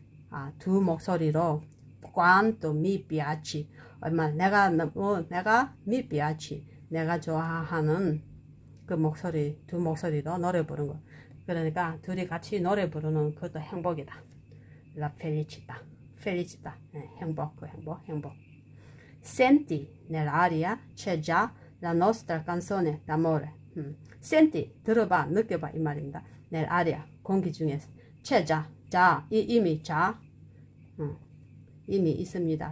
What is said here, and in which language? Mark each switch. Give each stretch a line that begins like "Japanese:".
Korean: 아, 두 목소리로
Italian: quanto mi piace
Korean: 얼마 내가 너무 내가
Italian: mi piace
Korean: 내가 좋아하는 그 목소리 두 목소리로 노래 부르는 거. 그러니까 둘이 같이 노래 부르는 것도 행복이다.
Italian: La felicità.
Korean: Felicità, 네, 행복, 그 행복, 행복.
Italian: Senti, nell'aria c'è già la nostra canzone d'amore.
Korean: Senti, 들어봐, 느껴봐, 이 말입니다.
Italian: Nell'aria,
Korean: 공기 중에서.
Italian: C'è già,
Korean: 자, 이미 자, 이미 있습니다.